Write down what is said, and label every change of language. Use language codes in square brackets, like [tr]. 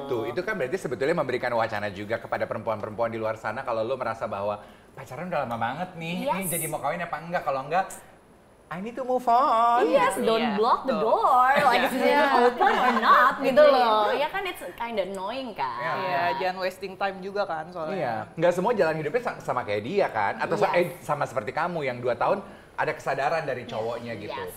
[id] Tuh, itu kan berarti sebetulnya memberikan wacana juga kepada perempuan-perempuan di luar sana kalau lu merasa bahwa pacaran udah lama banget nih, ini jadi mau kawin apa enggak? Kalau enggak, [en] I need to move on. Yes, don't block the door. Like, is it open or not? [id] Gitu loh. Ya kan, [en] it's kind of annoying kan. [id] Iya, jangan wasting time juga kan soalnya. Iya, enggak semua jalan hidupnya sama kayak dia kan? Atau sama seperti kamu yang 2 tahun ada kesadaran dari cowoknya gitu.